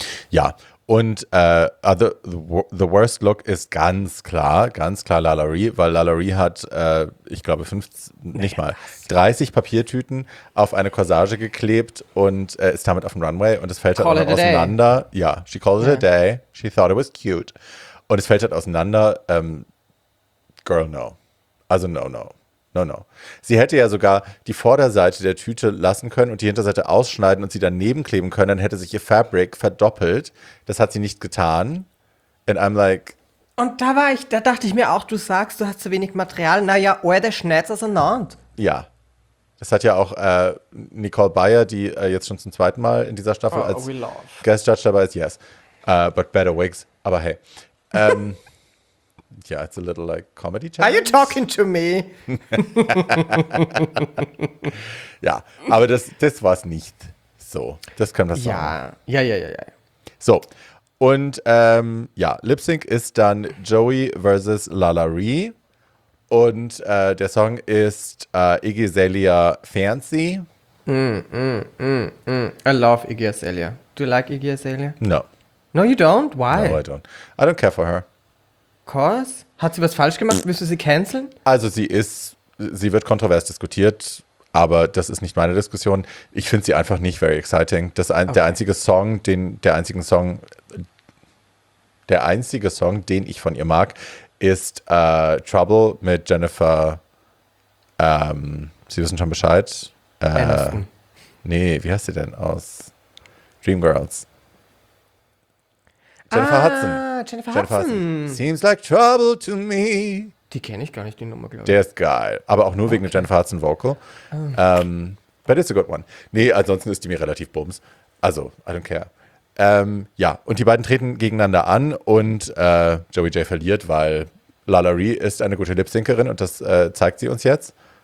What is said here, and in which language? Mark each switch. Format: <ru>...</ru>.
<de>Ja, und the worst look ist ganz klar Lalari, weil Lalari hat, ich glaube, 30 Papiertüten auf eine Corsage geklebt und ist damit auf dem Runway und es fällt halt auseinander.</de> <en>Ja, she called it a day, she thought it was cute.</en> <de>Und es fällt halt auseinander, girl, no. Also no. Sie hätte ja sogar die Vorderseite der Tüte lassen können und die Hinterseite ausschneiden und sie daneben kleben können, dann hätte sich ihr Fabric verdoppelt. Das hat sie nicht getan. And I'm like... Und da war ich, da dachte ich mir auch, du sagst, du hast zu wenig Material. Naja, oder der schneidet es auseinander. Ja. Das hat ja auch Nicole Bayer, die jetzt schon zum zweiten Mal in dieser Staffel als Guest Judge dabei ist.</de> <en>Yes. But better wigs. Aber hey. Yeah, it's a little like comedy challenge. Are you talking to me?</en> <de>Ja, aber das war es nicht so. Das können wir sagen. Ja. So, und Lip Sync ist dann Joey versus Lalari. Und der Song ist Iggy Azalea Fancy.</de> <en>I love Iggy Azalea. Do you like Iggy Azalea? No. No, you don't? Why? No, I don't. I don't care for her. Course?</en> <de>Hat sie was falsch gemacht? Willst du sie canceln? Also sie wird kontrovers diskutiert, aber das ist nicht meine Diskussion. Ich finde sie einfach nicht very exciting. Der einzige Song, den ich von ihr mag, ist Trouble mit Jennifer, Sie wissen schon Bescheid. Wie heißt sie denn aus Dreamgirls? Jennifer Hudson. Seems like trouble to me. Die kenne ich gar nicht, die Nummer, glaube ich. Der ist geil. Aber auch nur wegen der Jennifer Hudson Vocal. But it's a good one. Nee, ansonsten ist die mir relativ bums. Also, I don't care. Und die beiden treten gegeneinander an und Joey J verliert, weil Lalari ist eine gute Lip-Syncerin und das zeigt sie uns jetzt.</de>